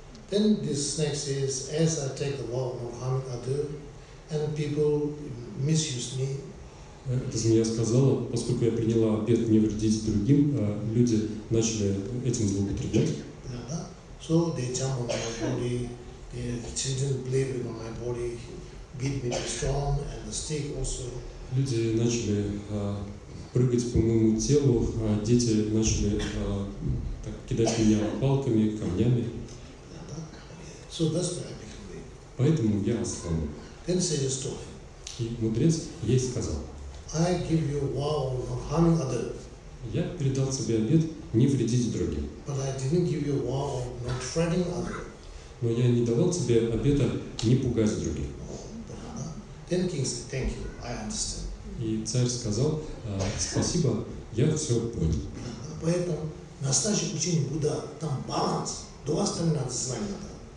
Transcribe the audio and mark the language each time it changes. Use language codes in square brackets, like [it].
[en] Then this snake says, as I take the vow of harming others, and people misuse me. [ru] Эта змея сказала, поскольку я приняла обет не вредить другим, люди начали этим злоупотреблять. [en] So they jump on my body, the children play on my body, beat me the stone and the stick also. [ru] Люди начали прыгать по моему телу, дети начали так, кидать меня палками, камнями. [en] So that's why I became weak. [ru] Поэтому я ослабел. [en] Then said a story. [ru] И мудрец ей сказал. [en] I give you vow of harming others. [ru] Я передал тебе обет не вредить другим. [en] But I didn't give you vow of not threatening others. [ru] Но я не давал тебе обета не пугать других. [en] Then king said, thank you, I understand. [ru] И царь сказал, спасибо, я все понял. Поэтому настоящее учение Будда, там баланс, два остальных знания надо.